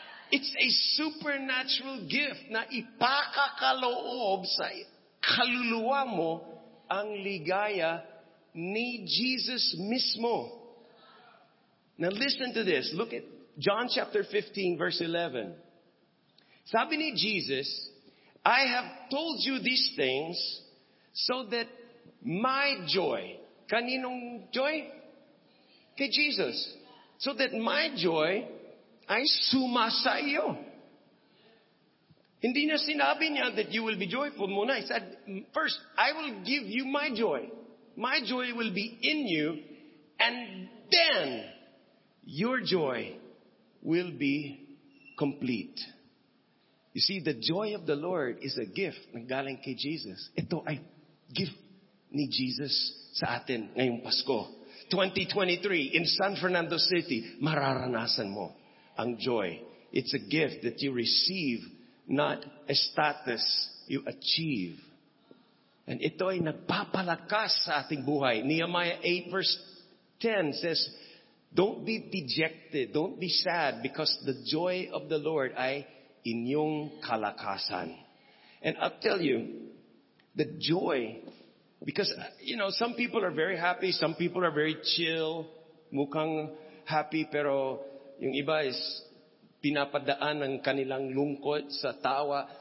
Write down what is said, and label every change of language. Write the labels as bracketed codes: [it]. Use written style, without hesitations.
[en] It's a supernatural gift [tl] na ipakakaloob sa kaluluwa mo ang ligaya ni Jesus mismo. [en] Now listen to this. Look at John chapter 15 verse 11. [tl] Sabi ni Jesus, [en] I have told you these things so that my joy, [tl] kaninong joy? Kay Jesus. [en] So that my joy [tl] ay suma sa iyo. Hindi niya sinabi niya [en] that you will be joyful [tl] muna. [en] He said, first, I will give you my joy. My joy will be in you, and then your joy will be complete. You see, the joy of the Lord is a gift [tl] na galing kay Jesus. Ito ay gift ni Jesus sa atin ngayong Pasko. 2023, in San Fernando City, mararanasan mo ang joy. [en] It's a gift that you receive, not a status you achieve. [tl] And ito ay nagpapalakas sa ating buhay. [en] Nehemiah 8 verse 10 says, don't be dejected, don't be sad, because the joy of the Lord [tl] ay inyong kalakasan. [en] And I'll tell you, the joy, because, you know, some people are very happy, some people are very chill, [tl] mukhang happy, pero yung iba is pinapadaan ang kanilang lungkot sa tawa.